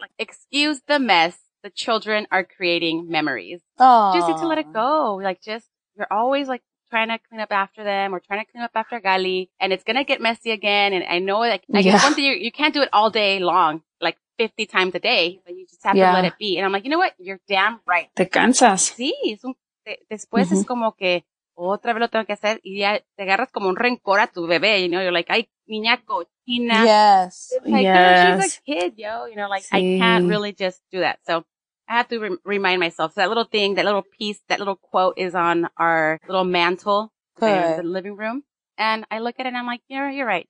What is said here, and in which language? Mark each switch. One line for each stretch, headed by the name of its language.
English: Like, excuse the mess. The children are creating memories. Aww. Just need to let it go. Like, just, you're always, like, trying to clean up after them or trying to clean up after Gali. And it's going to get messy again. And I know, like, one thing, you can't do it all day long, like 50 times a day, but you just have to let it be. And I'm like, you know what? You're damn right.
Spanish: Te cansas. Sí. Después es como que otra vez lo tengo que hacer. Y ya te agarras como un rencor a tu bebé.
English: You know, you're like,
Spanish: ay, niña cochina.
English: Yes. Like, she's a kid, yo. You know, like, I can't really just do that. So I have to remind myself. So that little thing, that little piece, that little quote is on our little mantle in the living room. And I look at it and I'm like, you're right.